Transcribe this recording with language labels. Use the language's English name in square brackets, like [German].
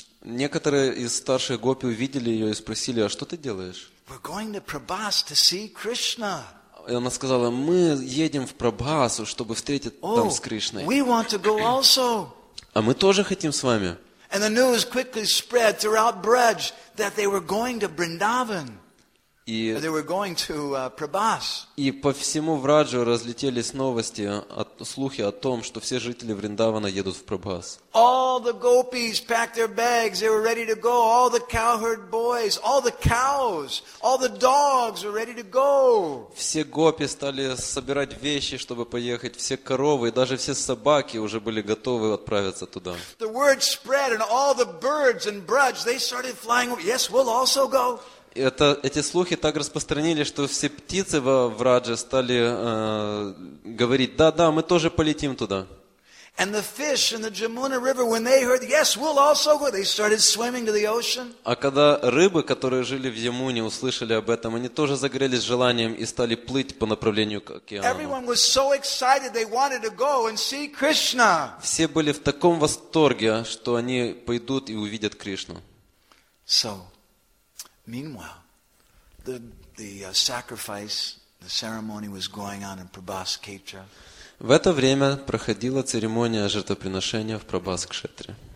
[Russian] Некоторые из старших гопи увидели ее и спросили, а что ты делаешь? [English] We're going to Prabhas to see Krishna. [Russian] И она сказала, мы едем в Прабхасу, чтобы встретить там с Кришной. [English] Oh, we want to go also. [Russian] А мы тоже хотим с вами. [English] And the news quickly spread throughout Braj that they were going to Vrindavan. [Russian] И по всему Враджу разлетелись новости, слухи о том, что все жители Вриндавана едут в Прабхас. [English] All the gopis packed their bags, they were ready to go. All the cowherd boys, all the cows, all the dogs were ready to go. [Russian] Все гопи стали собирать вещи, чтобы поехать. Все коровы и даже все собаки уже были готовы отправиться туда. [English] The word spread and all the birds and brudge, they started flying. Yes, we'll also go. [Russian] Эти слухи так распространились, что все птицы во Врадже стали говорить: «Да, да, мы тоже полетим туда». [English] And the fish in the Jamuna River, when they heard, yes, we'll also go, they started swimming to the ocean. [Russian] А когда рыбы, которые жили в Ямуне, услышали об этом, они тоже загорелись желанием и стали плыть по направлению к океану. [English] Everyone was so excited, they wanted to go and see Krishna. [Russian] Все были в таком восторге, что они пойдут и увидят Кришну. [English] So, meanwhile, the sacrifice, the ceremony was going on in Prabhas Ketra. [Russian] В это время проходила церемония жертвоприношения в Прабхас-кшетре.